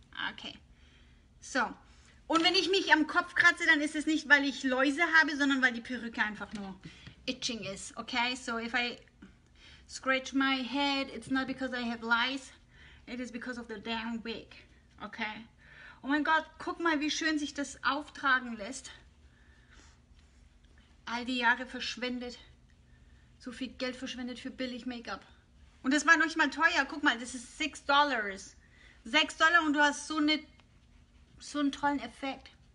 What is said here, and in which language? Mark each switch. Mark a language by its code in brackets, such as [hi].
[de] Okay. So. Und wenn ich mich am Kopf kratze, dann ist es nicht, weil ich Läuse habe, sondern weil die Perücke einfach nur itching ist. [en] Okay? So, if I scratch my head, it's not because I have lice, it is because of the damn wig. Okay? [de] Oh mein Gott, guck mal, wie schön sich das auftragen lässt. All die Jahre verschwendet. So viel Geld verschwendet für billig Make-up. Und das war noch nicht mal teuer. Guck mal, das ist $6. $6 und du hast so einen tollen Effekt.